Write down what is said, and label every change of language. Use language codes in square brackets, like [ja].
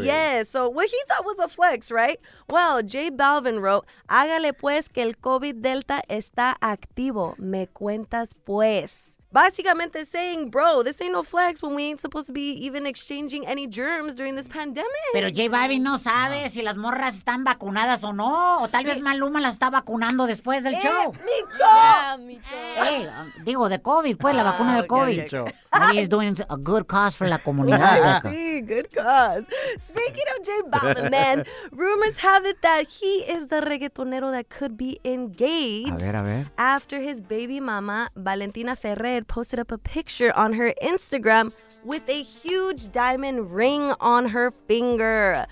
[en] Yeah, so what he thought was a flex, right? Well, J Balvin wrote, [es] hágale pues que el COVID Delta está activo. Me cuentas pues. [en] Basically saying, bro, this ain't no flex when we ain't supposed to be even exchanging any germs during this pandemic. [es] Pero J Balvin no sabe si las morras están vacunadas o no. O tal vez Maluma las está vacunando después del show. ¡Micho! Digo, de COVID, pues, la vacuna de COVID. [en] Yeah, yeah. He's doing a good cause for [es] la comunidad. Sí, [en] good cause. Speaking of J Balvin, man, rumors have it that he is the reggaetonero that could be engaged. [es] A ver. [en] After his baby mama, Valentina Ferrer, had posted up a picture on her Instagram with a huge diamond ring on her finger.